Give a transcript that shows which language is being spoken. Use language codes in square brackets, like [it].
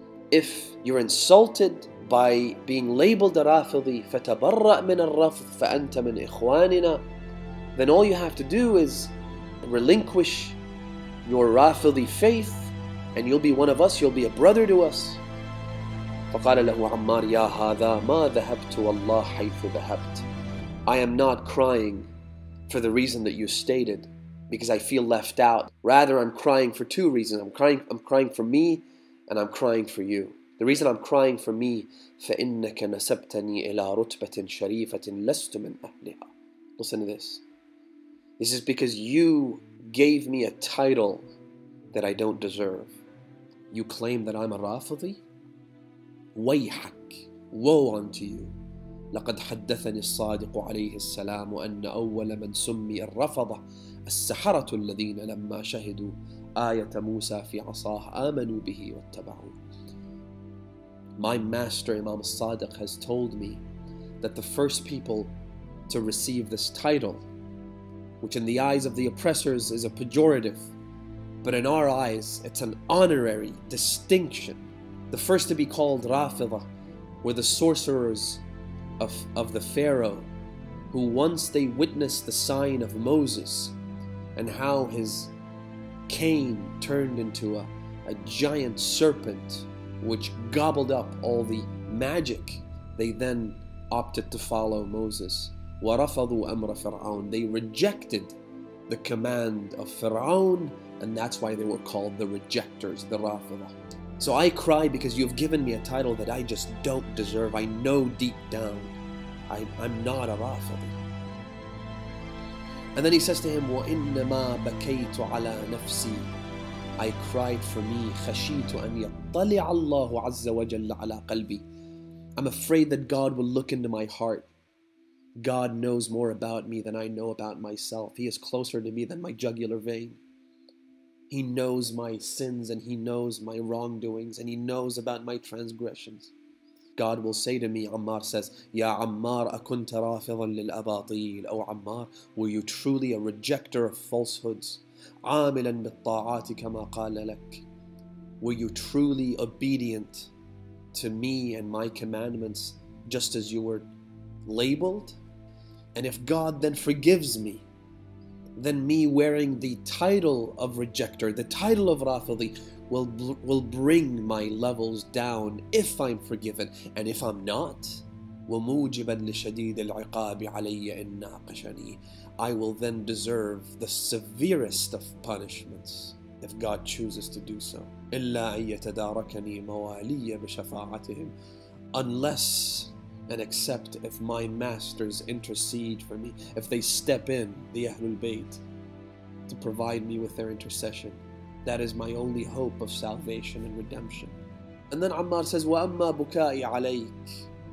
[en] If you're insulted by being labeled a Rafidhi, [ar] فَتَبَرَّأْ مِنَ الرَّفْضِ فَأَنْتَ مِنْ إِخْوَانِنَا, [en] then all you have to do is relinquish your Rafidhi faith and you'll be one of us, you'll be a brother to us. [ar] فَقَالَ لَهُ عَمَّارْ يَا هَذَا مَا ذَهَبْتُ وَاللَّهِ حَيْثُ ذَهَبْتُ. [en] I am not crying for the reason that you stated, because I feel left out. Rather, I'm crying for two reasons. I'm crying for me, and I'm crying for you. The reason I'm crying for me, [ar] فَإِنَّكَ نَسَبْتَنِي إِلَىٰ رُتْبَةٍ شَرِيفَةٍ لَسْتُ مِنْ أَهْلِهَا. [en] Listen to this. This is because you gave me a title that I don't deserve. You claim that I'm a Rafidhi? [ar] وَيْحَكْ. [en] Woe unto you. [ar] لَقَدْ حَدَّثَنِي الصَّادِقُ عَلَيْهِ السَّلَامُ أَنَّ أَوَّلَ مَنْ سُمِّيَ الرَّفَضَ السَّحَرَةُ الَّذِينَ لَمَّا شَهِدُوا آية موسى في عصاه آمنوا به واتبعوا. [en] My master Imam al-Sadiq has told me that the first people to receive this title, which in the eyes of the oppressors is a pejorative, but in our eyes it's an honorary distinction, the first to be called Rafidha were the sorcerers of the Pharaoh, who once they witnessed the sign of Moses and how his Cain turned into a giant serpent which gobbled up all the magic. They then opted to follow Moses. [ar] وَرَفَضُوا أَمْرَ فِرْعَوْنَ. [en] They rejected the command of Fir'aun, and that's why they were called the rejectors, the Rafidah. So I cry because you've given me a title that I just don't deserve. I know deep down I'm not a Rafidah. And then he says to him, [ar] وَإِنَّمَا بَكَيْتُ عَلَىٰ نَفْسِي. [en] I cried for me, [ar] خَشِيتُ أَنْ يَطَّلِعَ اللَّهُ عَزَّ وَجَلَّ عَلَىٰ قَلْبِي. [en] I'm afraid that God will look into my heart. God knows more about me than I know about myself. He is closer to me than my jugular vein. He knows my sins and He knows my wrongdoings and He knows about my transgressions. God will say to me, Ammar says, [ar] Ya Ammar, akunta rafidhan lil abatil. [en] O Ammar, were you truly a rejecter of falsehoods? [ar] Amilan bit ta'ati kama qala lak. [en] Were you truly obedient to me and my commandments just as you were labeled? And if God then forgives me, then me wearing the title of rejector, the title of Rafidhi, will bring my levels down if I'm forgiven. And if I'm not, [ar] وموجبا لشديد العقاب علي إن ناقشني. [en] I will then deserve the severest of punishments if God chooses to do so. [ar] إلا أن يتداركني موالي بشفاعتهم. [en] Unless and except if my masters intercede for me, if they step in, the Ahlul Bayt, to provide me with their intercession. That is my only hope of salvation and redemption. And then Ammar says, [ar] وَأَمَّا بُكَاءِ عَلَيْكِ.